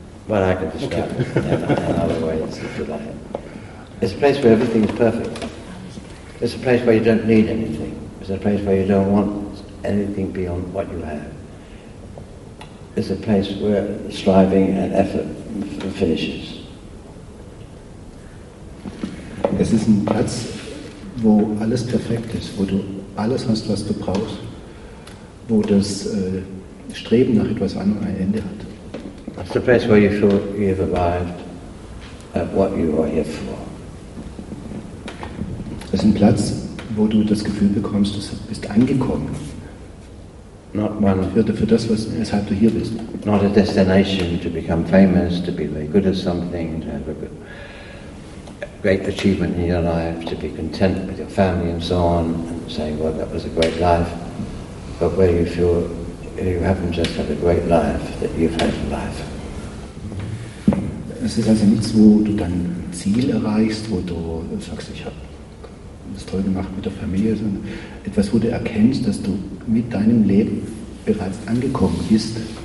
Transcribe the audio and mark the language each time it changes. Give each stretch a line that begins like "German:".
English: Well, I could describe it in other ways. It's a place where everything is perfect. It's a place where you don't need anything. It's a place where you don't want anything beyond what you have. It's a place where striving and effort finishes.
German: Es ist ein Platz, wo alles perfekt ist, wo du alles hast, was du brauchst, wo das Streben nach etwas anderem ein Ende hat.
English: It's the place where you feel you've arrived at what you are here for.
German: Es ist ein Platz, wo du das Gefühl bekommst, du bist angekommen.
English: Not one
German: für das, was, weshalb du hier bist.
English: Not a destination to become famous, to be very good at something, to have a good, great achievement in your life, to be content with your family and so on, and say, well, that was a great life. But where you feel you haven't just had a great life, that you've had a life.
German: Es ist also nichts, wo du dann ein Ziel erreichst, wo du sagst, ich habe das toll gemacht mit der Familie, sondern etwas, wo du erkennst, dass du mit deinem Leben bereits angekommen bist.